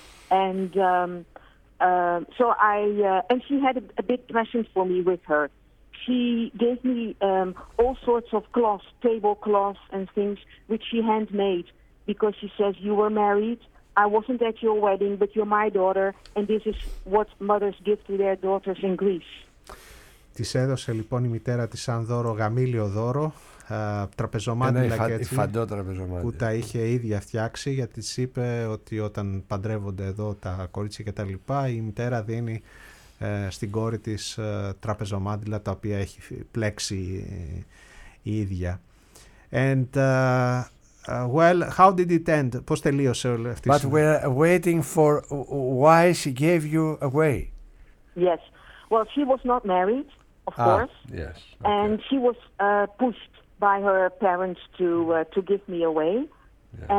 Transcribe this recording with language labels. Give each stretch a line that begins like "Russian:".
English: And and she had a big present for me with her. She gave me all sorts of cloths, tablecloths and things, which she handmade, because she says, you were married, I wasn't at your wedding, but you're my daughter, and this is what mothers give to their daughters in Greece.
Greek: Της έδωσε λοιπόν η μητέρα της σαν δώρο, γαμήλιο δώρο, τραπεζομάντιλα και έτσι, τραπεζομάντιλα. Που τα είχε ίδια φτιάξει γιατί της είπε ότι όταν παντρεύονται εδώ τα κορίτσια και τα λοιπά η μητέρα δίνει στην κόρη της τραπεζομάντιλα τα οποία έχει πλέξει η ίδια.
English: And well, how did it end?
Greek: Πώς τελείωσε όλη αυτή η σημαντική?
English: But we're waiting for why she gave you away. Yes. Well, she was not married, of course. Yes. Okay. And she was pushed by her parents to give me away. Yes.